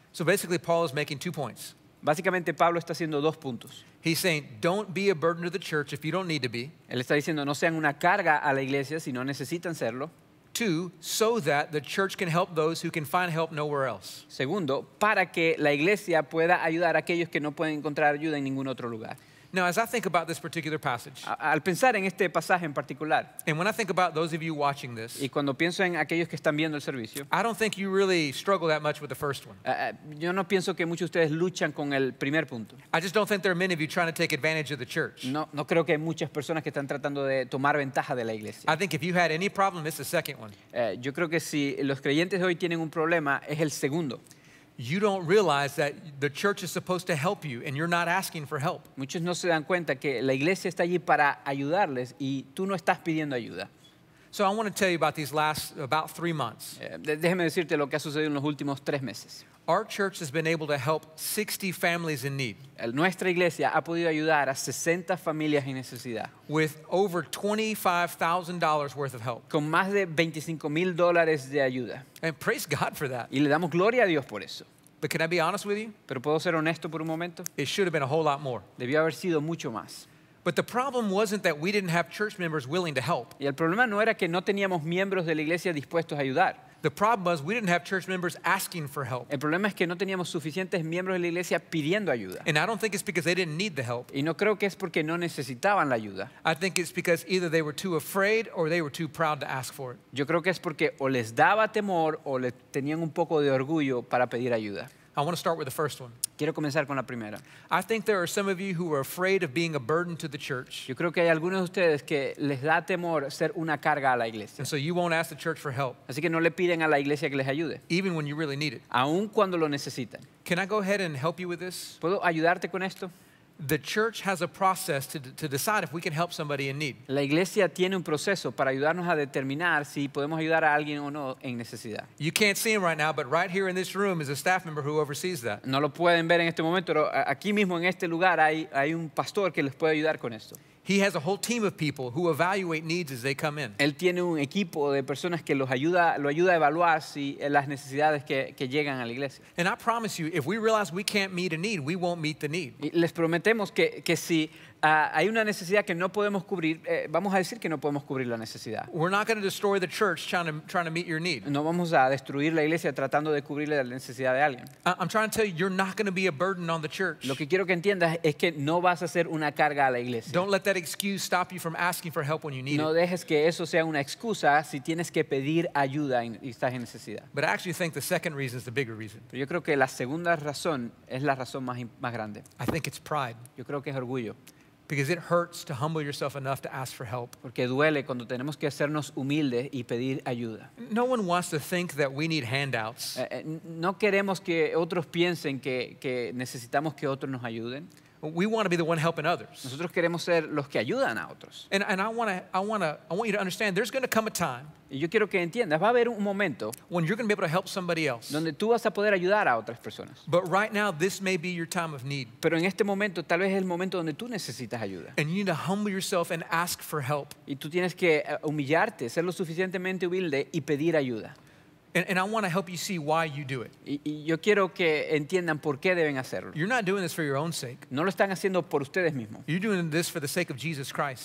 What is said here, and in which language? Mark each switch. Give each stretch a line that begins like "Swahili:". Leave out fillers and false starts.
English: So basically, Paul is making two points.
Spanish: Básicamente, Pablo está haciendo dos puntos.
English: He's saying, don't be a burden to the church if you don't need to be.
Spanish: Él está diciendo, no sean una carga a la iglesia si no necesitan serlo.
English: Two, so that the church can help those who can find help nowhere else.
Spanish: Segundo, para que la iglesia pueda ayudar a aquellos que no pueden encontrar ayuda en ningún otro lugar.
English: Now, as I think about this particular passage,
Spanish: al pensar en este pasaje en particular,
English: and when I think about those of you watching this,
Spanish: y cuando pienso en aquellos que están viendo el servicio,
English: I don't think you really struggle that much with the first one.
Spanish: Yo no pienso que muchos de ustedes luchan con el primer punto.
English: I just don't think there are many of you trying to take advantage of the church.
Spanish: No creo que hay muchas personas que están tratando de tomar ventaja de la iglesia.
English: I think if you had any problem, it's the second one.
Spanish: Yo creo que si los creyentes hoy tienen un problema, es el segundo.
English: You don't realize that the church is supposed to help you and you're not asking for help.
Spanish: Muchos no se dan cuenta que la iglesia está allí para ayudarles y tú no estás pidiendo ayuda.
English: So I want to tell you about these last about 3 months.
Spanish: Déjame decirte lo que ha sucedido en los últimos 3 meses.
English: Our church has been able to help 60 families in need.
Spanish: Nuestra iglesia ha podido ayudar a 60 familias en necesidad.
English: With over $25,000 worth of help.
Spanish: Con más de $25,000 de ayuda.
English: And praise God for that.
Spanish: Y le damos gloria a Dios por eso.
English: But can I be honest with you?
Spanish: Pero puedo ser honesto por un momento?
English: It should have been a whole lot more.
Spanish: Debió haber sido mucho más.
English: But the problem wasn't that we didn't have church members willing to help.
Spanish: Y el problema no era que no teníamos miembros de la iglesia dispuestos a ayudar.
English: The problem was we didn't have church members asking for help.
Spanish: El problema es que no teníamos suficientes miembros de la iglesia pidiendo ayuda.
English: And I don't think it's because they didn't need the help.
Spanish: Y no creo que es porque no necesitaban la ayuda.
English: I think it's because either they were too afraid or they were too proud to ask for it.
Spanish: Yo creo que es porque o les daba temor o le tenían un poco de orgullo para pedir ayuda.
English: I want to start with the first one.
Spanish: Quiero comenzar con la primera.
English: I think there are some of you who are afraid of being a burden to the church.
Spanish: Yo creo que hay algunos de ustedes que les da temor ser una carga a la iglesia.
English: And so you won't ask the church for help.
Spanish: Así que no le piden a la iglesia que les ayude.
English: Even when you really need it.
Spanish: Aun cuando lo necesitan.
English: Can I go ahead and help you with this?
Spanish: ¿Puedo ayudarte con esto?
English: The church has a process to decide if we can help somebody in need.
Spanish: La iglesia tiene un proceso para ayudarnos a determinar si podemos ayudar a alguien o no en necesidad.
English: You can't see him right now, but right here in this room is a staff member who oversees that.
Spanish: No lo pueden ver en este momento, pero aquí mismo en este lugar hay un pastor que les puede ayudar con esto.
English: He has a whole team of people who evaluate needs as they come in.
Spanish: Él tiene un equipo de personas que lo ayuda a evaluar si las necesidades que llegan a la iglesia.
English: And I promise you, if we realize we can't meet a need, we won't meet the need.
Spanish: Y les prometemos que si hay una necesidad que no podemos cubrir, vamos a decir que no podemos cubrir la necesidad.
English: We're not going to destroy the church trying to meet your need.
Spanish: No vamos a destruir la iglesia tratando de cubrirle la necesidad de alguien.
English: I'm trying to tell you, you're not going to be a burden on the church.
Spanish: Lo que quiero que entiendas es que no vas a ser una carga a la iglesia.
English: Don't let that excuse stop you from asking for help when you need
Spanish: it. No dejes que eso sea una excusa si tienes que pedir ayuda y estás en necesidad.
English: But I actually think the second reason is the bigger reason.
Spanish: Pero yo creo que la segunda razón es la razón más grande.
English: I think it's pride.
Spanish: Yo creo que es orgullo.
English: Because it hurts to humble yourself enough to ask for help.
Spanish: Porque duele cuando tenemos que hacernos humildes y pedir ayuda.
English: No one wants to think that we need handouts.
Spanish: No queremos que otros piensen que necesitamos que otros nos ayuden.
English: We want to be the one helping others.
Spanish: Nosotros queremos ser los que ayudan a otros.
English: And I want you to understand there's going to come a time.
Spanish: Y yo quiero que entiendas, va a haber un momento
English: when you're going to be able to help somebody else.
Spanish: Donde tú vas a poder ayudar a otras personas.
English: But right now this may be your time of need.
Spanish: Pero en este momento tal vez es el momento donde tú necesitas ayuda.
English: And you need to humble yourself and ask for help.
Spanish: Y tú tienes que humillarte, ser lo suficientemente humilde y pedir ayuda.
English: And I want to help you see why you do it.
Spanish: Y yo quiero que entiendan por qué deben hacerlo.
English: You're not doing this for your own sake.
Spanish: No lo están haciendo por ustedes mismos.
English: You're doing this for the sake of Jesus Christ.